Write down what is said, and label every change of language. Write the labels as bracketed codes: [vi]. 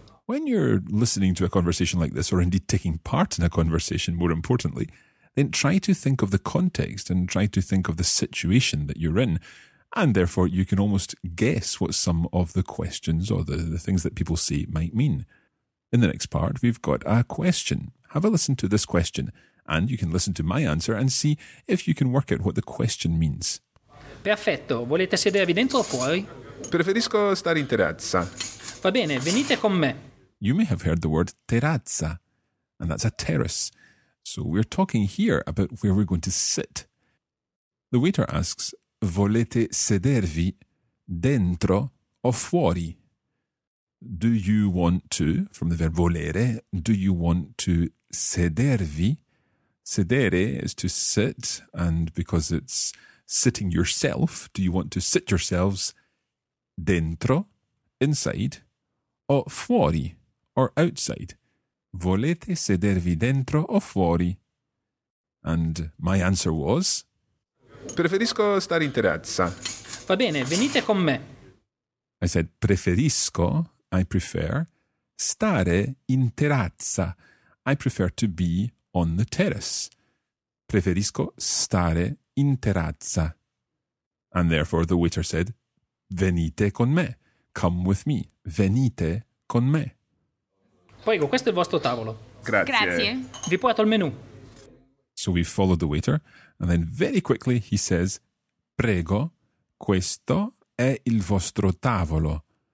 [en] When you're listening to a conversation like this, or indeed taking part in a conversation, more importantly, then try to think of the context and try to think of the situation that you're in. And therefore, you can almost guess what some of the questions or the things that people say might mean. In the next part, we've got a question. Have a listen to this question, and you can listen to my answer and see if you can work out what the question means. [it] Perfetto, volete sedervi dentro o fuori? Preferisco stare in terrazza. Va bene, venite con me. [en] You may have heard the word terrazza, and that's a terrace. So we're talking here about where we're going to sit. The waiter asks, [it] volete sedervi dentro o fuori? [en] Do you want to, from the verb volere, do you want to sedervi? Sedere is to sit, and because it's sitting yourself, do you want to sit yourselves dentro, inside, o fuori, or outside? [it] Volete sedervi dentro o fuori? [en] And my answer was, [it] preferisco stare in terrazza. Va bene, venite con me. [en] I said, preferisco, I prefer, [it] stare in terrazza. [en] I prefer to be on the terrace. [it] Preferisco stare in terrazza. [en] And therefore the waiter said, [it] venite con me. [en] Come with me. [it] Venite con me. Prego, questo è il vostro tavolo. Grazie. Grazie. Vi porto il menù. [en] So we followed the waiter, and then very quickly he says, prego, [it] Questo è il vostro tavolo.